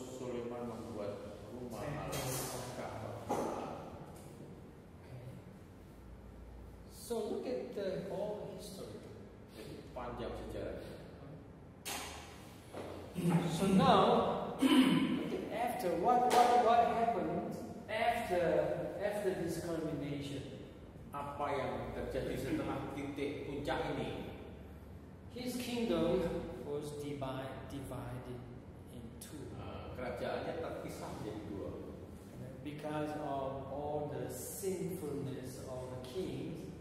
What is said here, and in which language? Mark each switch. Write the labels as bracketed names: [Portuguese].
[Indonesian] Solomon membuat rumah Allah. [English] Okay. So look at the whole history. [Indonesian] Panjang sejarah. [English] So now, after what happened after this culmination? [Indonesian] Apa yang terjadi setelah titik puncak ini? [English] His kingdom was divided in two. [Indonesian] Kerajaannya terpisah menjadi dua. [English] Because of all the sinfulness of the kings,